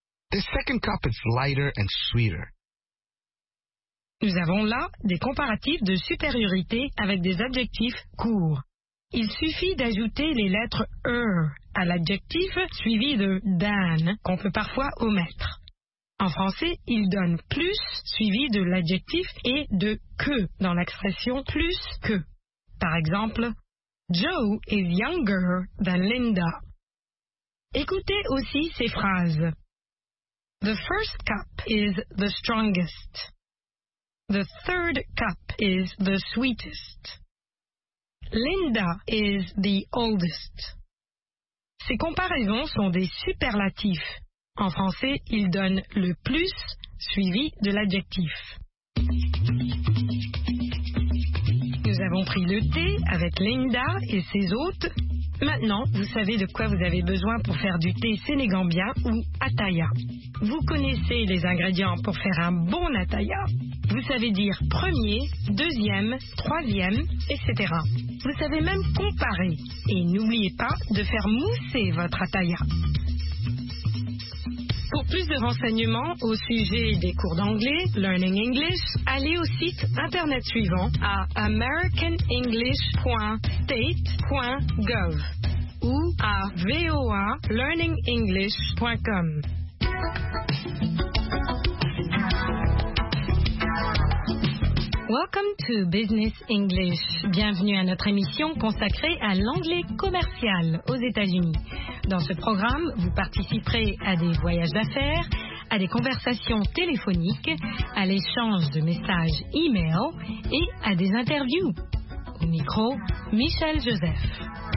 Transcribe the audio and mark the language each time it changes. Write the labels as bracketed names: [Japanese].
[English] The second cup is lighter and sweeter. [French] Nous avons là des comparatifs de supériorité avec des adjectifs courts. Il suffit d'ajouter les lettres « er » à l'adjectif suivi de « than » qu'on peut parfois omettre. En français, il donne « plus » suivi de l'adjectif et de « que » dans l'expression « plus que ». Par exemple, [English] « Joe is younger than Linda ». [French] Écoutez aussi ces phrases. [English] « The first cup is the strongest ». The third cup is the sweetest. Linda is the oldest. [French] Ces comparaisons sont des superlatifs. En français, ils donnent le plus suivi de l'adjectif. Nous avons pris le thé avec Linda et ses hôtes. Maintenant, vous savez de quoi vous avez besoin pour faire du thé sénégambien ou ataya. Vous connaissez les ingrédients pour faire un bon ataya. Vous savez dire premier, deuxième, troisième, etc. Vous savez même comparer. Et n'oubliez pas de faire mousser votre ataya. Pour plus de renseignements au sujet des cours d'anglais, Learning English, allez au site internet suivant à americanenglish.state.gov ou à voalearningenglish.com. [English] Welcome to Business English. [French] Bienvenue à notre émission consacrée à l'anglais commercial aux États-Unis. Dans ce programme, vous participerez à des voyages d'affaires, à des conversations téléphoniques, à l'échange de messages e-mail et à des interviews. Au micro, Michel Joseph.